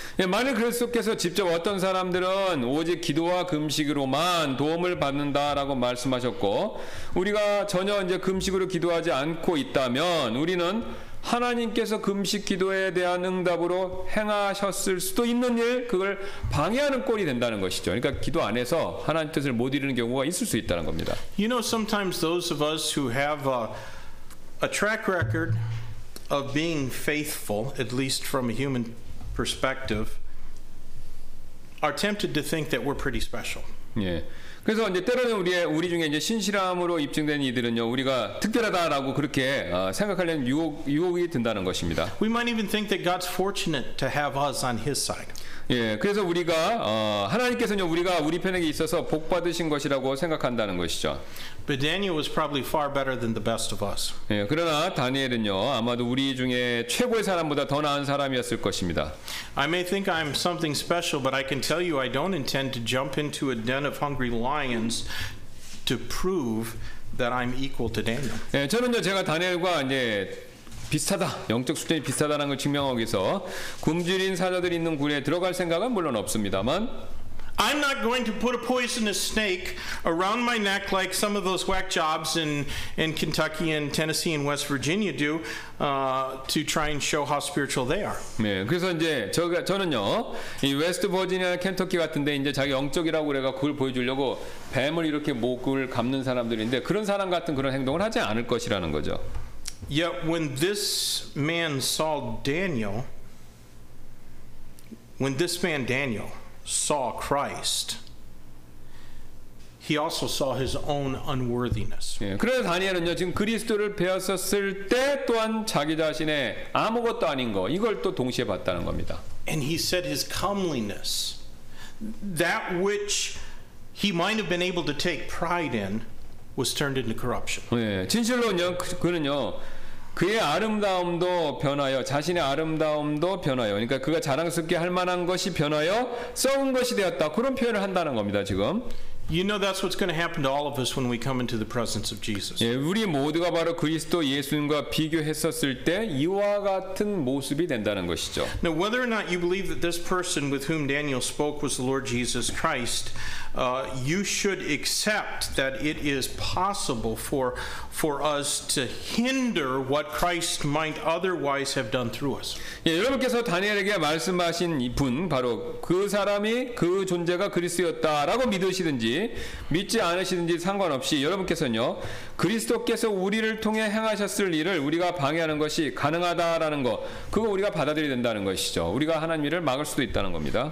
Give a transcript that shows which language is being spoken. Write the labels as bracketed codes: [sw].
[ko] 예, 만일 그리스도께서 직접 어떤 사람들은 오직 기도와 금식으로만 도움을 받는다라고 말씀하셨고, 우리가 전혀 이제 금식으로 기도하지 않고 있다면 우리는 하나님께서 금식 기도에 대한 응답으로 행하셨을 수도 있는 일 그걸 방해하는 꼴이 된다는 것이죠. 그러니까 기도 안에서 하나님 뜻을 못 이루는 경우가 있을 수 있다는 겁니다. [en] You know, sometimes those of us who have a track record of being faithful, at least from a human perspective, are tempted to think that we're pretty special. [ko] 예. 그래서 이제 때로는 우리 중에 이제 신실함으로 입증된 이들은요, 우리가 특별하다라고 그렇게 생각하려는 유혹이 든다는 것입니다. [en] We might even think that God's fortunate to have us on His side. [ko] 예, 그래서 우리가 하나님께서는 우리가 우리 편에게 있어서 복 받으신 것이라고 생각한다는 것이죠. [en] But Daniel was probably far better than the best of us. [ko] 예, 그러나 다니엘은요, 아마도 우리 중에 최고의 사람보다 더 나은 사람이었을 것입니다. [en] I may think I'm something special, but I can tell you I don't intend to jump into a den of hungry lions to prove that I'm equal to Daniel. [ko] 예, 저는요, 제가 다니엘과 이제 비슷하다, 영적 수준이 비슷하다는 걸 증명하기 위해서 굶주린 사자들이 있는 굴에 들어갈 생각은 물론 없습니다만 [en] I'm not going to put a poisonous snake around my neck like some of those whack jobs in Kentucky and Tennessee and West Virginia do to try and show how spiritual they are. [ko] 네, 그래서 이제 저는요 이 웨스트 버지니아 켄터키 같은데 이제 자기 영적이라고 그래가 그걸 보여주려고 뱀을 이렇게 목을 감는 사람들인데 그런 사람 같은 그런 행동을 하지 않을 것이라는 거죠. [en] Yet when this man saw Daniel, when this man Daniel saw Christ, he also saw his own unworthiness. [ko] 예, 그래서 다니엘은요 지금 그리스도를 배웠었을 때 또한 자기 자신의 아무것도 아닌 거 이걸 또 동시에 봤다는 겁니다. [en] And he said his comeliness, that which he might have been able to take pride in, was turned into corruption. [ko] 예, 진실로요 그는요. 그의 아름다움도 변하여 자신의 아름다움도 변하여 그러니까 그가 자랑스럽게 할 만한 것이 변하여 썩은 것이 되었다 그런 표현을 한다는 겁니다 지금 [en] You know that's what's going to happen to all of us when we come into the presence of Jesus. [ko] 예, 우리 모두가 바로 그리스도 예수님과 비교했었을 때 이와 같은 모습이 된다는 것이죠. [en] Now, whether or not you believe that this person with whom Daniel spoke was the Lord Jesus Christ, you should accept that it is possible for us to hinder what Christ might otherwise have done through us. [ko] 예, 여러분께서 다니엘에게 말씀하신 이분 바로 그 사람이 그 존재가 그리스도였다라고 믿으시든지 믿지 않으시든지 상관없이 여러분께서는요 그리스도께서 우리를 통해 행하셨을 일을 우리가 방해하는 것이 가능하다라는 것 그거 우리가 받아들여야 된다는 것이죠 우리가 하나님 일을 막을 수도 있다는 겁니다